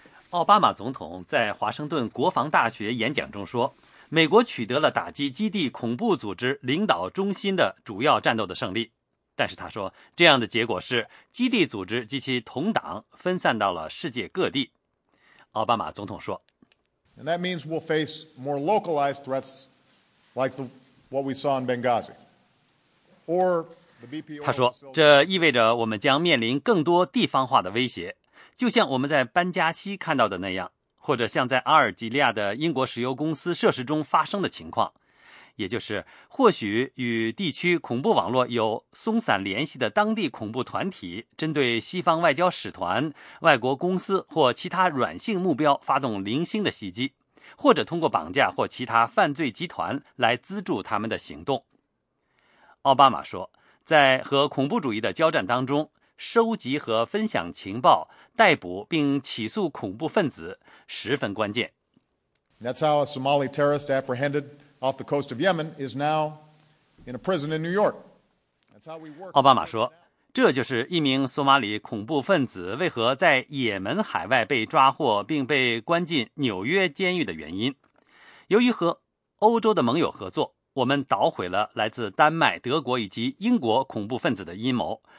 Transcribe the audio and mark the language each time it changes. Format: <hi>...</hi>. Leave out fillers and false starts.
<zh>奥巴马总统在华盛顿国防大学演讲中说，美国取得了打击基地恐怖组织领导中心的主要战斗的胜利，但是他说，这样的结果是基地组织及其同党分散到了世界各地。奥巴马总统说，</zh> <en>And that means we'll face more localized threats like what we saw in Benghazi. Or...</en> <zh>他说，这意味着我们将面临更多地方化的威胁，就像我们在班加西看到的那样，或者像在阿尔及利亚的英国石油公司设施中发生的情况，也就是或许与地区恐怖网络有松散联系的当地恐怖团体针对西方外交使团、外国公司或其他软性目标发动零星的袭击，或者通过绑架或其他犯罪集团来资助他们的行动。奥巴马说，在和恐怖主义的交战当中，收集和分享情报、逮捕并起诉恐怖分子十分关键。</zh> <en>That's how a Somali terrorist apprehended off the coast of Yemen is now in a prison in New York. That's how we work.</en> <zh>奥巴马说，这就是一名索马里恐怖分子为何在也门海外被抓获并被关进纽约监狱的原因。由于和欧洲的盟友合作，我们捣毁了来自丹麦、德国以及英国恐怖分子的阴谋。</zh>